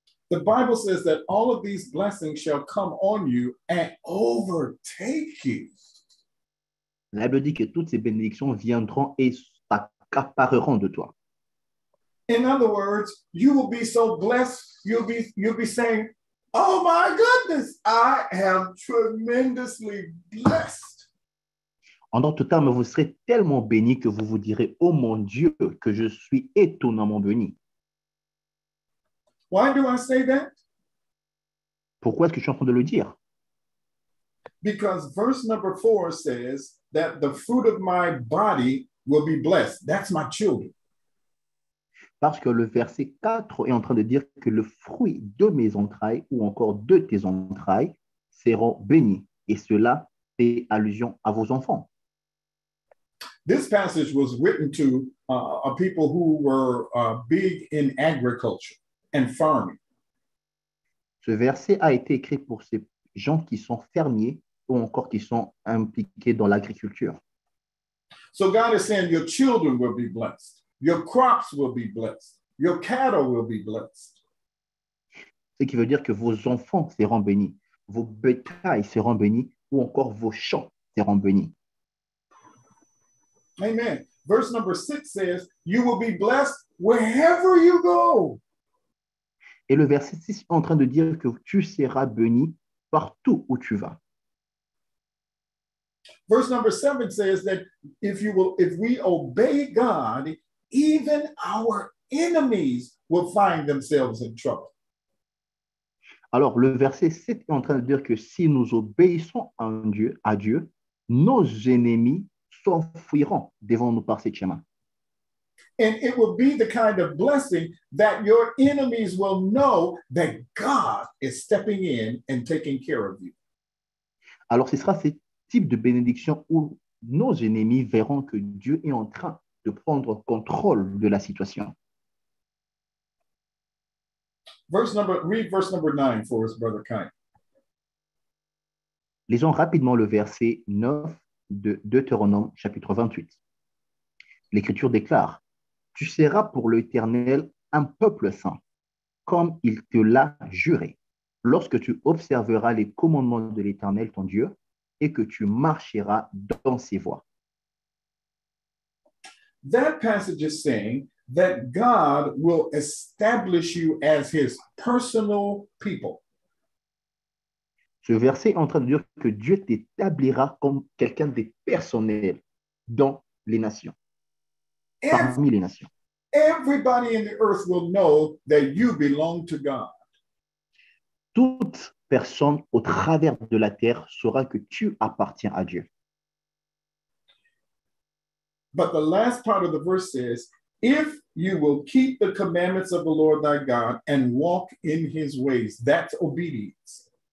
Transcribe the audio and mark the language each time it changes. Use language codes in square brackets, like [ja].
[en] The Bible says that all of these blessings shall come on you and overtake you. [fr] La Bible dit que toutes ces bénédictions viendront et s'accapareront de toi. [en] In other words, you will be so blessed, you'll be saying, "Oh my goodness, I am tremendously blessed." [fr] En d'autres termes, vous serez tellement béni que vous vous direz, « Oh mon Dieu, que je suis étonnamment béni. » [en] Why do I say that? [fr] Pourquoi est-ce que je suis en train de le dire? [en] Because verse number 4 says that the fruit of my body will be blessed. That's my children. [fr] Parce que le verset 4 est en train de dire que le fruit de mes entrailles ou encore de tes entrailles seront bénis. Et cela fait allusion à vos enfants. [en] This passage was written to a people who were big in agriculture and farming. [fr] Ce verset a été écrit pour ces gens qui sont fermiers ou encore qui sont impliqués dans l'agriculture. [en] So God is saying your children will be blessed. Your crops will be blessed. Your cattle will be blessed. [fr] Ce qui veut dire que vos enfants seront bénis, vos bétails seront bénis ou encore vos champs seront bénis. [en] Amen. Verse number 6 says, you will be blessed wherever you go. [fr] Et le verset 6 est en train de dire que tu seras béni partout où tu vas. [en] Verse number 7 says that if we obey God, even our enemies will find themselves in trouble. [fr] Alors, le verset 7 est en train de dire que si nous obéissons à Dieu, nos ennemis s'enfuiront devant nous par ces chemins. [en] And it will be the kind of blessing that your enemies will know that God is stepping in and taking care of you. [fr] Alors ce sera ce type de bénédiction où nos ennemis verront que Dieu est en train de prendre contrôle de la situation. [en] Read verse number 9 for us, Brother Kai. [fr] Lisons rapidement le verset 9 de Deutéronome, chapitre 28. L'Écriture déclare, « Tu seras pour l'Éternel un peuple saint, comme il te l'a juré, lorsque tu observeras les commandements de l'Éternel, ton Dieu, et que tu marcheras dans ses voies. » [en] That passage is saying that God will establish you as his personal people. [fr] Ce verset est en train de dire que Dieu t'établira comme quelqu'un de personnel dans les nations, parmi les nations. [en] Everybody in the earth will know that you belong to God. [fr] Toute personne au travers de la terre saura que tu appartiens à Dieu. [en] But the last part of the verse says, if you will keep the commandments of the Lord thy God and walk in his ways, that's obedience.